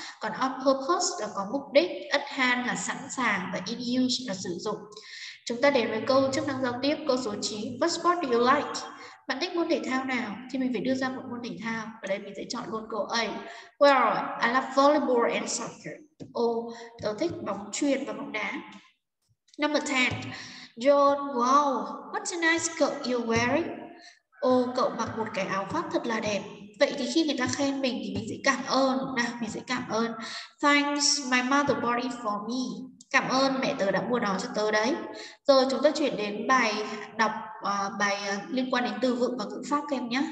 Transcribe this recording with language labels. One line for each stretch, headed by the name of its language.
Vietnamese: Còn on purpose là có mục đích, at hand là sẵn sàng và in use là sử dụng. Chúng ta đến với câu chức năng giao tiếp, câu số 9.
English: What sport do you like?
Vietnamese: Bạn thích môn thể thao nào? Thì mình phải đưa ra một môn thể thao. Ở đây mình sẽ chọn luôn câu A.
English: Well, I love volleyball and soccer.
Vietnamese: Tớ thích bóng chuyền và bóng đá.
English: Number 10. John, wow, what a nice coat you're wearing.
Vietnamese: Cậu mặc một cái áo khoác thật là đẹp. Vậy thì khi người ta khen mình thì mình sẽ cảm ơn. Nào, mình sẽ cảm ơn.
English: Thanks, my mother bought it for me.
Vietnamese: Cảm ơn, mẹ tớ đã mua nó cho tớ đấy. Rồi chúng ta chuyển đến bài đọc bài liên quan đến từ vựng và ngữ pháp em nhé.